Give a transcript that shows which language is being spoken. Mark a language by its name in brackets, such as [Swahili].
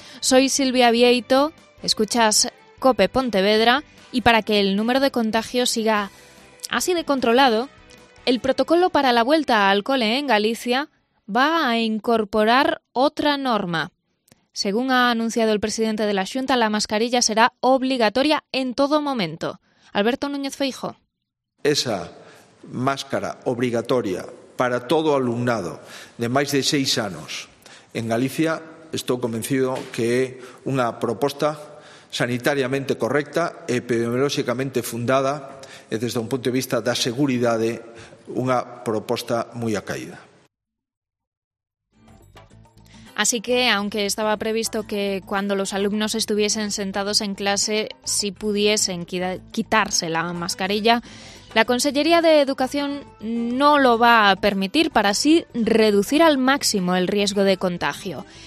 [Spanish] Soy Silvia Vieito, escuchas COPE Pontevedra, y para que el número de contagios siga así de controlado, el protocolo para la vuelta al cole en Galicia va a incorporar otra norma. Según ha anunciado el presidente de la Xunta, la mascarilla será obligatoria en todo momento. Alberto Núñez Feijóo. [Galician] Esa máscara obligatoria para todo alumnado de máis de 6 anos en Galicia, estou convencido que é unha proposta sanitariamente correcta, epidemiolóxicamente fundada e, desde un punto de vista da seguridade, unha proposta moi acaída. [Spanish] Así que, aunque estaba previsto que cuando los alumnos estuviesen sentados en clase sí pudiesen quitarse la mascarilla, la Consellería de Educación no lo va a permitir para así reducir al máximo el riesgo de contagio.